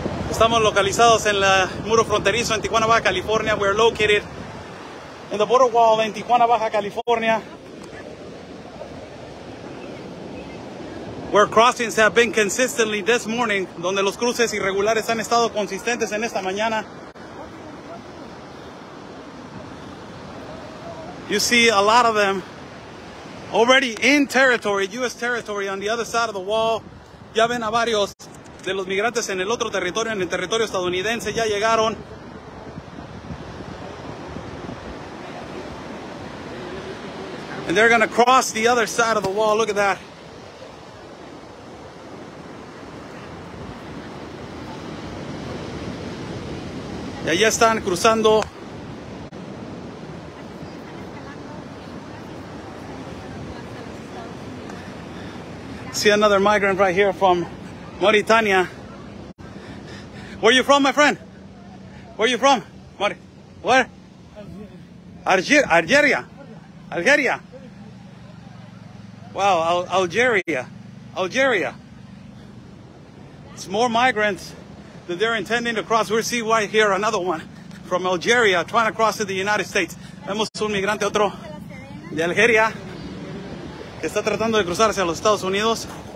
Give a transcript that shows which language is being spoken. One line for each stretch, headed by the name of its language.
Spanish: Estamos localizados en el muro fronterizo en Tijuana, Baja California.
English: We're located in the border wall in Tijuana, Baja California. Where crossings have been consistently this morning,
Spanish: donde los cruces irregulares han estado consistentes en esta mañana.
English: You see a lot of them already in territory, U.S. territory, on the other side of the wall.
Spanish: Ya ven a varios de los migrantes en el otro territorio, en el territorio estadounidense, ya llegaron.
English: And they're gonna cross the other side of the wall. Look at that.
Spanish: Y allá están cruzando.
English: See another migrant right here from Mauritania. Where are you from, my friend? Where are you from? Where? Algeria. Wow, Algeria. Algeria. It's more migrants than they're intending to cross. We'll see right here another one from Algeria trying to cross to the United States.
Spanish: Vemos un migrante otro de Algeria que está tratando de cruzar hacia los Estados Unidos.